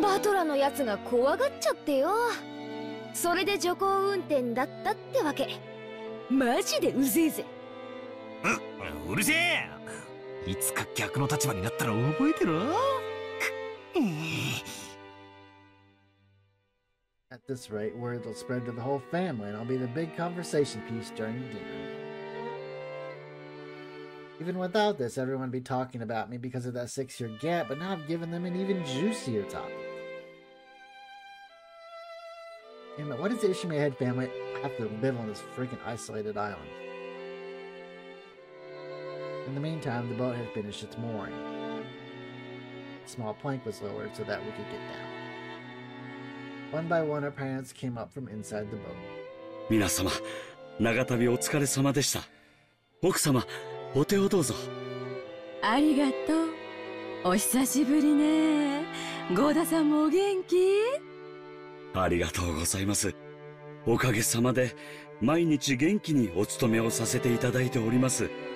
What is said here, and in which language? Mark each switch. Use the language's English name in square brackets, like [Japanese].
[Japanese] バトラのやつが怖がっちゃってよ。それで徐行運転だったってわけ。マジでうぜえぜ。うるせえ。いつか逆の立場になったら覚えてろ。 [English] At this rate, word will spread to the whole family, and I'll be the big conversation piece during dinner. Even without this, everyone would be talking about me because of that 6-year gap, but now I've given them an even juicier topic. Damn it, why does the Ushiromiya head family have to live on this freaking isolated island? In the meantime, the boat had finished its mooring. A small plank was lowered so that we could get down. One by one, our parents came up from inside the boat. [Japanese] 皆様、長旅お疲れ様でした。奥様、お手をどうぞ。ありがとう。お久しぶりね。ゴーダさんもお元気？ありがとうございます。おかげさまで、毎日元気にお勤めをさせていただいております。